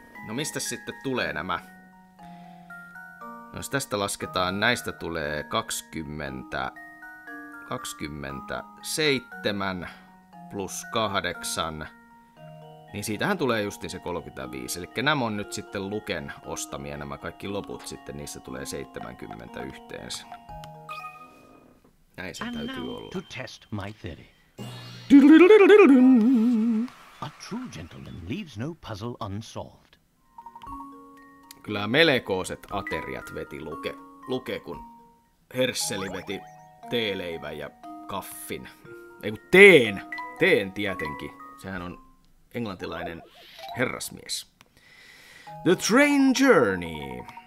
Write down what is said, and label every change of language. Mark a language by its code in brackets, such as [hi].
[fi] No mistä sitten tulee nämä? No jos tästä lasketaan, näistä tulee 27 plus 8... Niin siitähän tulee justiin se 35, eli nämä on nyt sitten Luken ostamia, nämä kaikki loput sitten, niissä tulee 70 yhteensä. Näin se täytyy olla. [en] And now to test my theory. A true gentleman leaves no puzzle unsolved. [fi] Kyllä melekooset ateriat veti Luke, kun Hersseli veti teeleivän ja kaffin. Ei kun teen tietenkin, sehän on... Englantilainen herrasmies. [en] The Train Journey.